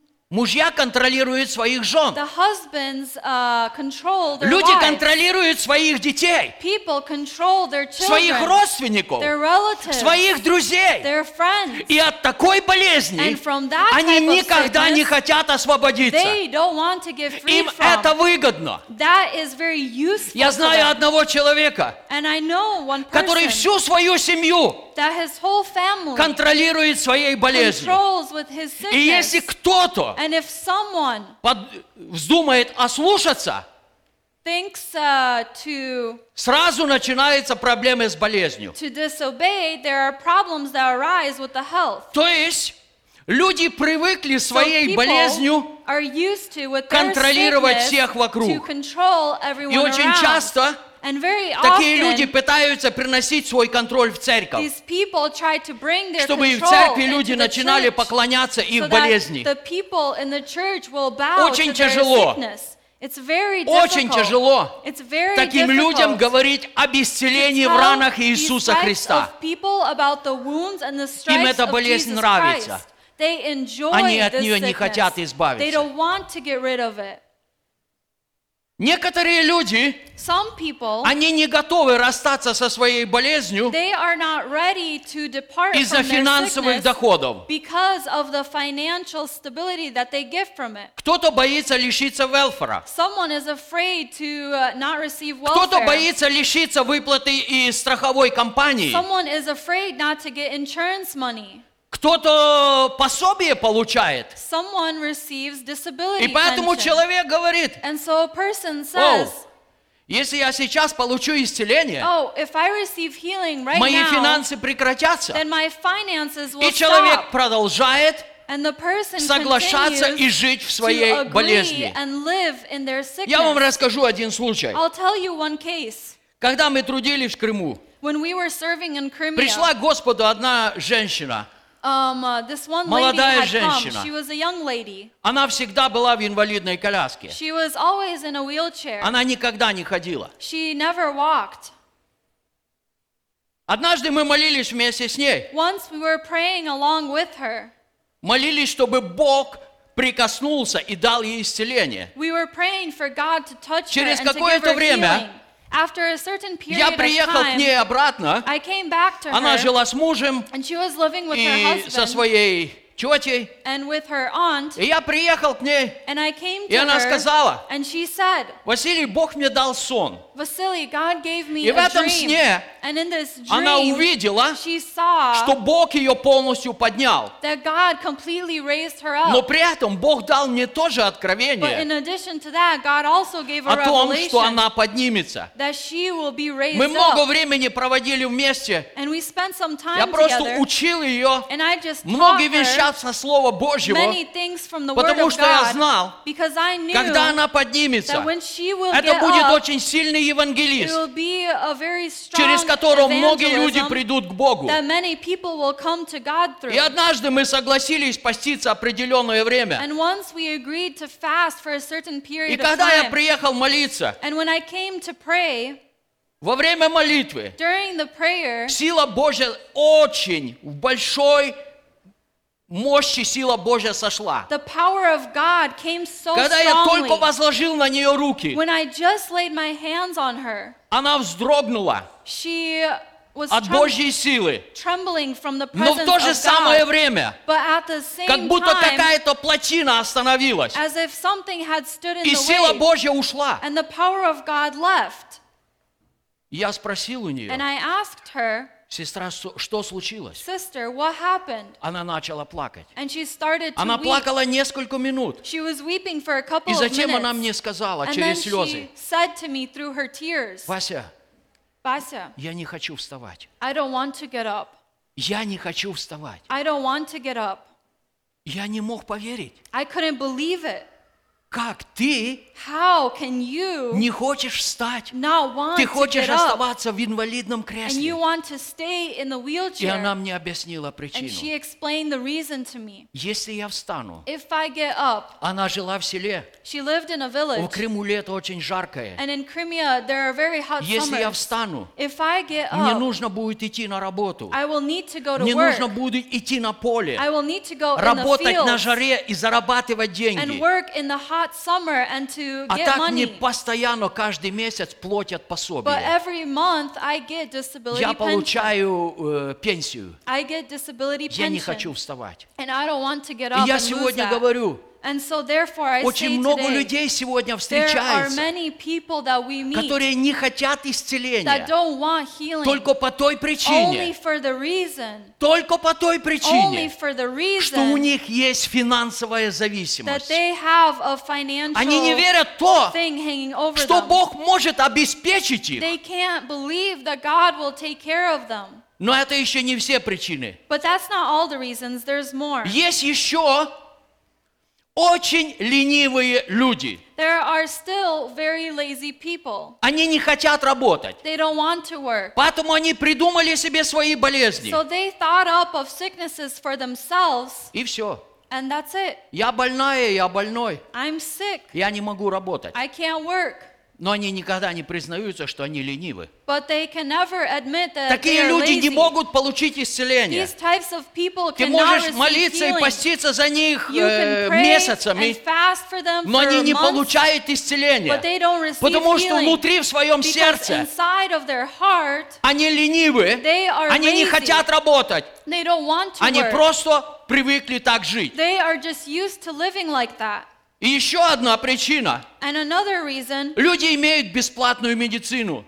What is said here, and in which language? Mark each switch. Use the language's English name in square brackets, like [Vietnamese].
[Russian] Мужья контролируют своих жен. [English] The husbands, control their [Russian] люди [English] wives. [Russian] Контролируют своих детей. [English] People control their children, [Russian] своих родственников. [English] Their relatives, [Russian] своих друзей. [English] Their friends. [Russian] И от такой болезни [English] and from that [Russian] они [English] type [Russian] никогда [English] of sickness, [Russian] не хотят освободиться. [English] They don't want to get freed [Russian] им [English] from. [Russian] Это выгодно. [English] That is very useful. [Russian] Я знаю одного человека, [English] and I know one person, [Russian] который всю свою семью [English] that his whole family [Russian] контролирует своей болезнью. [English] Controls with his sickness. [Russian] И если кто-то [English] and if someone [Russian] вздумает ослушаться, [English] thinks, to [Russian] сразу начинаются проблемы с болезнью. [English] To disobey, there are problems that arise with the health. [Russian] То есть люди привыкли своей [English] so [Russian] болезнью [English] are used to, with [Russian] контролировать [English] their sickness, [Russian] всех вокруг. [English] To control everyone [Russian] и очень [English] around. [Russian] Часто [English] and very often, [Russian] такие люди пытаются приносить свой контроль в церковь, [English] these people try to bring their [Russian] чтобы в церкви люди начинали [English] church, [Russian] поклоняться их [English] so [Russian] болезни. [English] The people in the church will bow [Russian] очень [English] to [Russian] тяжело. [English] Their it's very [Russian] очень тяжело [English] it's very [Russian] таким [English] difficult. [Russian] Людям говорить об исцелении в ранах Иисуса Христа. [English] These types of people about the wounds and the stripes [Russian] им эта болезнь [English] of Jesus [Russian] нравится. [English] Christ. They enjoy [Russian] они от [English] this [Russian] нее [English] sickness. [Russian] Не хотят избавиться. [English] They don't want to get rid of it. [Russian] Некоторые люди, [English] some people, [Russian] они не готовы расстаться со своей болезнью [English] they are not ready to depart [Russian] из-за [English] from [Russian] финансовых [English] their because of the financial stability that they get from it. [Russian] Кто-то боится лишиться welfare. [English] Someone is afraid to not receive welfare. [Russian] Кто-то боится лишиться выплаты из страховой компании. [English] Someone is afraid not to get insurance money. [Russian] Кто-то пособие получает. [English] Someone receives disability [Russian] И поэтому [English] pension. [Russian] Человек говорит, [English] And so a person says, [Russian] oh, если я сейчас получу исцеление, [English] oh, if I receive healing right [Russian] мои [English] now, [Russian] финансы прекратятся. [English] Then my finances will [Russian] И человек [English] stop. [Russian] Продолжает [English] And the person [Russian] соглашаться [English] continues [Russian] и жить в своей [English] to agree [Russian] болезни. [English] And live in their sickness. [Russian] Я вам расскажу один случай. [English] I'll tell you one case. [Russian] Когда мы трудились в Крыму, [English] When we were serving in Crimea, [Russian] пришла к Господу одна женщина, [English] This one [Russian] Молодая [English] lady had [Russian] женщина. [English] Come. She was a young lady. [Russian] Она всегда была в инвалидной коляске. [English] She was always in a wheelchair. [Russian] Она никогда не ходила. [English] She never walked. [Russian] Однажды мы молились вместе с ней. [English] Once we were praying along with her. [Russian] Молились, чтобы Бог прикоснулся и дал ей исцеление. [English] We were praying for God to touch [Russian] Через [English] her and [Russian] какое-то [English] to give her healing. [Russian] Время [English] After a certain period [Russian] Я приехал [English] of time, [Russian] к ней обратно. [English] I came back to [Russian] Она [English] her, [Russian] жила с мужем [English] and she was living with [Russian] и [English] her husband, [Russian] со своей тетей. [English] And with her aunt, [Russian] и я приехал к ней. [English] And I came [Russian] и она [English] her, [Russian] сказала, [English] and she said, [Russian] Василий, Бог мне дал сон. [English] Василий, God gave me [Russian] и в этом [English] dream, [Russian] сне [English] and in this dream, [Russian] она увидела, [English] she saw, [Russian] что Бог ее полностью поднял. [English] That God completely raised her up. [Russian] Но при этом Бог дал мне тоже откровение [English] But in addition to that, God also gave a [Russian] о том, что она поднимется. [English] That she will be raised [Russian] мы много [English] up. [Russian] Времени проводили вместе. [English] And we spent some time [Russian] я просто [English] together, [Russian] учил ее [English] and I just [Russian] многие вещи со Слова Божьего, [English] many things from the word [Russian] потому что [English] of God, [Russian] я знал, [English] I knew [Russian] когда она поднимется, [English] that when she will [Russian] это будет [English] up, [Russian] очень сильный евангелист, [English] it will be a very strong [Russian] через которого многие люди придут к Богу. [English] That many people will come to God through. [Russian] И однажды мы согласились поститься определенное время. [English] And once we agreed to fast for a certain period [Russian] и когда [English] of time, [Russian] я приехал молиться, [English] and when I came to pray, [Russian] во время молитвы, [English] during the prayer, [Russian] сила Божья очень в большой Мощь и сила Божья сошла. [English] The power of God came so [Russian] Когда [English] strongly, [Russian] я только возложил на нее руки, [English] when I just laid my hands on her, [Russian] она вздрогнула [English] she was [Russian] от Божьей силы. [English] Trembling from the presence [Russian] Но в то же самое [English] God, [Russian] время, [English] but at the same [Russian] как будто [English] time, [Russian] какая-то плотина остановилась, [English] as if something had stood in [Russian] и сила Божья ушла. [English] And the power of God left. [Russian] Я спросил у нее, [English] and I asked her, [Russian] Сестра, что случилось? [English] Sister, what happened? [Russian] Она начала плакать. [English] And she started to [Russian] она [English] weep. [Russian] Плакала несколько минут. [English] She was weeping for a couple [Russian] И затем [English] of minutes. [Russian] Она мне сказала [English] And [Russian] через [English] then [Russian] слезы, [English] she said to me through her tears, [Russian] Вася, [English] Вася, [Russian] я не хочу вставать. [English] I don't want to get up. [Russian] Я не хочу вставать. [English] I don't want to get up. [Russian] Я не мог поверить. [English] I couldn't believe it. [Russian] Как ты [English] How can you [Russian] не хочешь встать? [English] Not want [Russian] ты хочешь [English] to get [Russian] оставаться [English] up, [Russian] в инвалидном кресле? [English] And you want to stay in the wheelchair, [Russian] и она мне объяснила причину. [English] And she explained the reason to me. [Russian] Если я встану, [English] If I get up, [Russian] она жила в селе. [English] She lived in a village, [Russian] в Крыму лето очень жаркое. [English] And in Crimea, there are very hot [Russian] Если [English] summers, [Russian] я встану, [English] If I get up, [Russian] мне нужно будет идти на работу. [English] I will need to go to [Russian] мне [English] work. [Russian] Нужно будет идти на поле. [English] I will need to go [Russian] работать [English] in the fields, [Russian] на жаре и зарабатывать деньги. [English] And work in the hot summer and to [Russian] А так [English] money. [Russian] Не постоянно каждый месяц платят пособие. [English] But every month I get disability [Russian] я получаю [English] pension. [Russian] Пенсию. [English] I get disability pension. [Russian] Я не хочу вставать. [English] And I don't want to get up [Russian] и я сегодня говорю, [English] and so therefore I [Russian] очень [English] say [Russian] много [English] today, [Russian] людей сегодня встречаются, [English] there are many people that we meet, [Russian] которые не хотят исцеления, [English] that don't want healing, [Russian] только по той причине, [English] only for the reason, [Russian] только по той причине, [English] only for the reason, [Russian] что у них есть финансовая зависимость. [English] That they have a financial [Russian] Они не верят то, [English] thing hanging over [Russian] что [English] them. [Russian] Бог может обеспечить их. [English] They can't believe that God will take care of them. [Russian] Но это еще не все причины. [English] But that's not all the reasons. There's more. [Russian] Есть еще очень ленивые люди. [English] There are still very lazy people. [Russian] Они не хотят работать. [English] They don't want to work. [Russian] Поэтому они придумали себе свои болезни. [English] So they thought up of sicknesses for themselves. [Russian] И все. [English] And that's it. [Russian] Я больная, я больной. [English] I'm sick. [Russian] Я не могу работать. [English] I can't work. [Russian] Но они никогда не признаются, что они ленивы. [English] But they can never admit that [Russian] такие люди [English] lazy. [Russian] Не могут получить исцеление. [English] These types of people [Russian] ты можешь молиться и поститься за них месяцами, но они не получают исцеление. [English] But they don't receive [Russian] потому что [English] healing. [Russian] Внутри в своем [English] because [Russian] сердце [English] inside of their heart, [Russian] они ленивы, [English] they are [Russian] они [English] lazy. [Russian] Не хотят работать. [English] They don't want to [Russian] они [English] work. [Russian] Просто привыкли так жить. [English] They are just used to living like that. [Russian] И еще одна причина. [English] And another reason, [Russian] люди имеют бесплатную медицину.